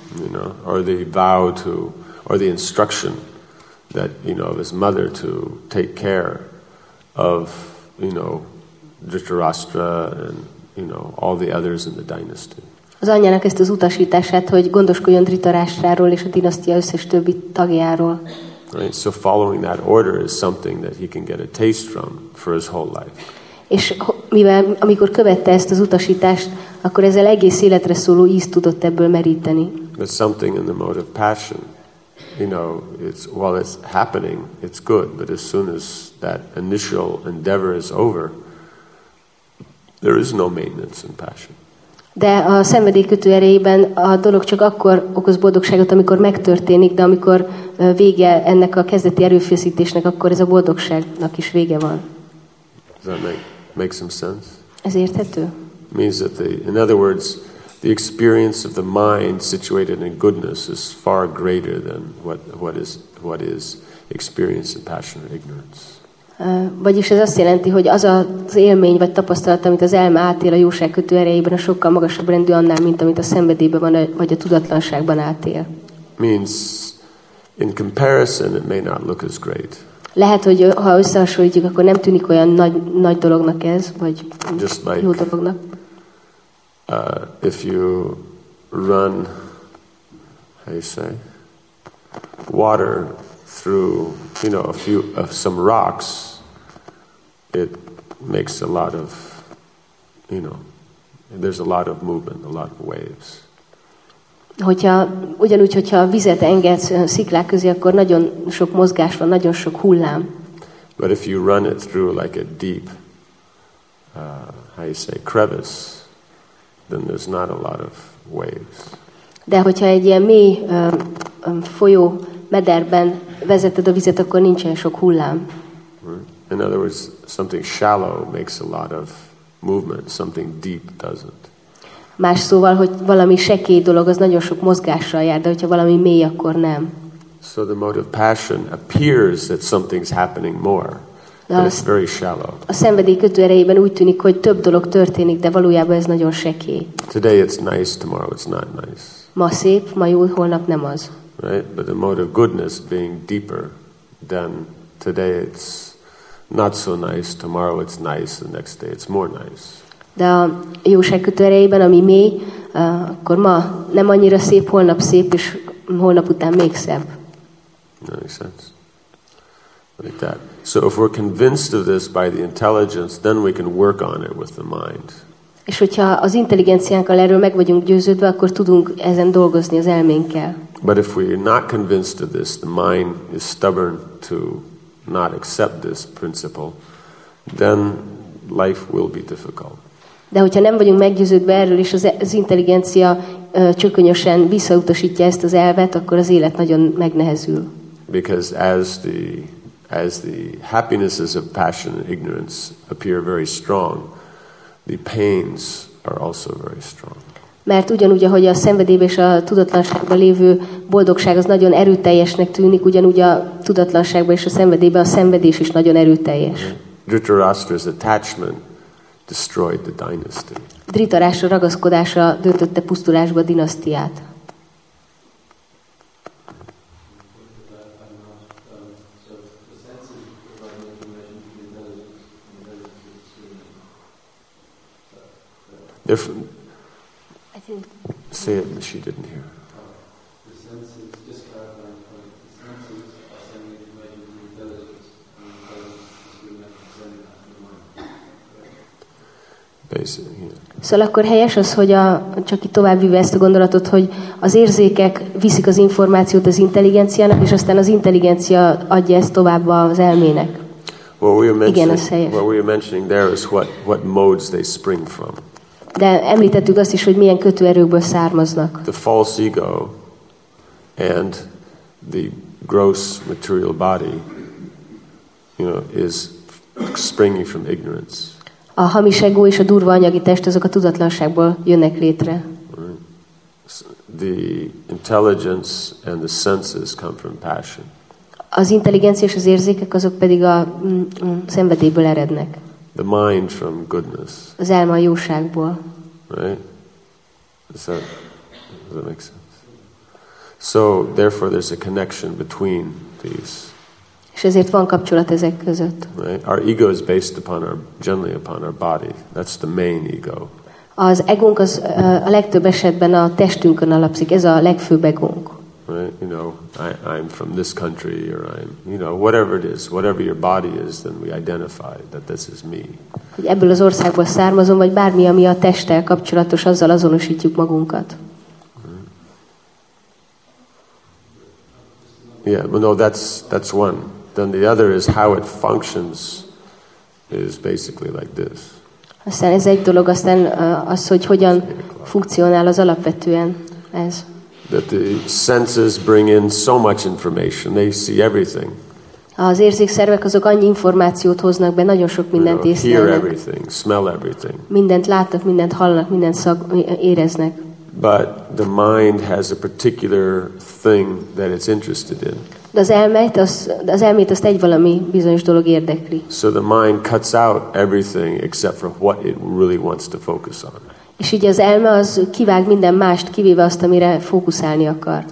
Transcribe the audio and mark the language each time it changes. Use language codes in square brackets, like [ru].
[en] You know, or the vow to, or the instruction that, you know, of his mother to take care of, you know, Dhritarashtra and, you know, all the others in the dynasty. [hu] Az anyjának ezt az utasítását, hogy gondoskodjon Dhritarashtráról és a dinasztia összes többi tagjáról. [en] Right, so following that order is something that he can get a taste from for his whole life. [hu] És mivel amikor követte ezt az utasítást, akkor ezzel egész életre szóló ízt tudott ebből meríteni. [en] But something in the mode of passion, you know, it's while it's happening, it's good, but as soon as that initial endeavor is over, there is no maintenance in passion. [hu] De a szenvedélykötő erejében a dolog csak akkor okoz boldogságot, amikor megtörténik, de amikor vége ennek a kezdeti erőfeszítésnek, akkor ez a boldogságnak is vége van. [en] Make some sense? [hu] Ez érthető? [en] Means that in other words, the experience of the mind situated in goodness is far greater than what is experience of passion or ignorance. [hu] Vagyis ez azt jelenti, hogy az az élmény vagy tapasztalat, amit az elme átél a jóság kötő erejében, a sokkal magasabb rendű annál, mint amit a szenvedélyben van, vagy a tudatlanságban átél. [en] Means in comparison it may not look as great. [hu] Lehet, hogy ha összehasonlítjuk, akkor nem tűnik olyan nagy dolognak ez, vagy [en] just like, [hu] jó dolognak. [en] If you run, how you say, water through, you know, some rocks, it makes a lot of, you know, there's a lot of movement, a lot of waves. [hu] Hogyha ugyanúgy, hogyha vizet engedsz sziklák közé, akkor nagyon sok mozgás van, nagyon sok hullám. [en] But if you run it through like a deep, how you say, crevice, then there's not a lot of waves. [hu] De hogyha egy ilyen mély folyó mederben vezeted a vizet, akkor nincsen sok hullám. [en] In other words, something shallow makes a lot of movement, something deep doesn't. [hu] Más szóval, hogy valami sekély dolog, az nagyon sok mozgással jár, de hogyha valami mély, akkor nem. [en] So the mode of passion appears that something's happening more, it's very shallow. [hu] A szenvedély kötőerejében úgy tűnik, hogy több dolog történik, de valójában ez nagyon sekély. [en] Today it's nice, tomorrow it's not nice. [hu] Ma szép, ma jó, holnap nem az. [en] Right, but the mode of goodness being deeper than today it's not so nice, tomorrow it's nice, the next day it's more nice. [hu] De a jóság kötőerejében, ami mély, akkor ma nem annyira szép, holnap szép, és holnap után még szebb. [en] That makes sense. Like that. So if we're convinced of this by the intelligence, then we can work on it with the mind. [hu] És hogyha az intelligenciánkkal erről meg vagyunk győződve, akkor tudunk ezen dolgozni az elménkkel. [en] But if we're not convinced of this, the mind is stubborn to not accept this principle, then life will be difficult. [hu] De hogyha nem vagyunk meggyőződve erről, és az intelligencia csökönyösen visszautasítja ezt az elvet, akkor az élet nagyon megnehezül. [en] Because as the happinesses of passion and ignorance appear very strong, the pains are also very strong. [hu] Mert ugyanúgy, ahogy a szenvedélyben és a tudatlanságban lévő boldogság az nagyon erőteljesnek tűnik, ugyanúgy a tudatlanságban és a szenvedélyben a szenvedés is nagyon erőteljes. [en] Dhritarashtra's attachment destroyed the dynasty. [hu] Dhritarashtra ragaszkodása döntötte pusztulásba a dinasztiát. [en] If, I think, say it, she didn't hear. The senses, just clarifying the point, the senses are sending information to intelligence, and the intelligence is going to have to send that to the mind. Basically, yeah. [hu] Szóval akkor helyes az, hogy csak itt tovább vívve ezt a gondolatot, hogy az érzékek viszik az információt az intelligenciának, és aztán az intelligencia adja ezt tovább az elmének. Igen, ez helyes. [en] What we are mentioning there is what modes they spring from. [hu] De említettük azt is, hogy milyen kötőerőkből származnak. [en] The false ego and the gross material body, you know, is springing from ignorance. [hu] A hamis ego és a durva anyagi test, azok a tudatlanságból jönnek létre. [en] The intelligence and the senses come from passion. [hu] Az intelligencia és az érzékek, azok pedig a szenvedélyből erednek. [en] The mind from goodness. [hu] Az elme a jóságból. [en] Right? Does that make sense? So, therefore, there's a connection between these. [hu] És ezért van kapcsolat ezek között. [en] Right? Our ego is based upon generally upon our body. That's the main ego. [hu] Az egónk az a legtöbb esetben a testünkön alapszik. Ez a legfőbb egónk. [en] Right? You know, I'm from this country, or I'm, you know, whatever it is, whatever your body is, then we identify that this is me. [hu] Hogy ebből az országból származom, vagy bármi, ami a testtel kapcsolatos, azzal azonosítjuk magunkat. [en] Yeah, well, no, that's one. Then the other is how it functions is basically like this. [hu] Aztán ez egy dolog, aztán az, hogy hogyan funkcionál az alapvetően ez. [en] That the senses bring in so much information, they see everything. [hu] Az érzékszervek azok annyi információt hoznak be, nagyon sok mindent észlelnek. [en] Hear everything, smell everything. [hu] Mindent látnak, mindent hallnak, mindent éreznek. [en] But the mind has a particular thing that it's interested in. [hu] De az elmét azt egy valami bizonyos dolog érdekli. [en] So the mind cuts out everything except for what it really wants to focus on. [hu] És így az elme az kivág minden mást, kivéve azt, amire fókuszálni akar.